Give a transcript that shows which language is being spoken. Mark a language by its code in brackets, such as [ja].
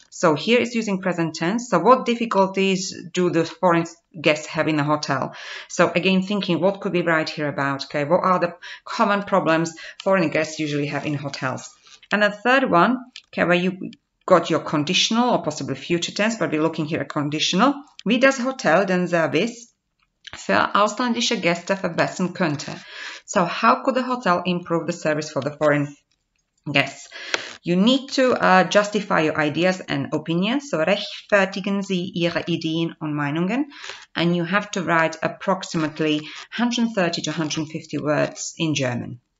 [en] So here is using present tense. So what difficulties do the foreign guests have in the hotel? So again, thinking what could we write here about? Okay, what are the common problems foreign guests usually have in hotels? And the third one, okay, where you got your conditional or possibly future tense, but we're looking here at conditional. [de] Wie das Hotel den Service für ausländische Gäste verbessern könnte. [en] So how could the hotel improve the service for the foreign guests? You need to justify your ideas and opinions. [de] So rechtfertigen Sie Ihre Ideen und Meinungen. [en] And you have to write approximately 130 to 150 words in German.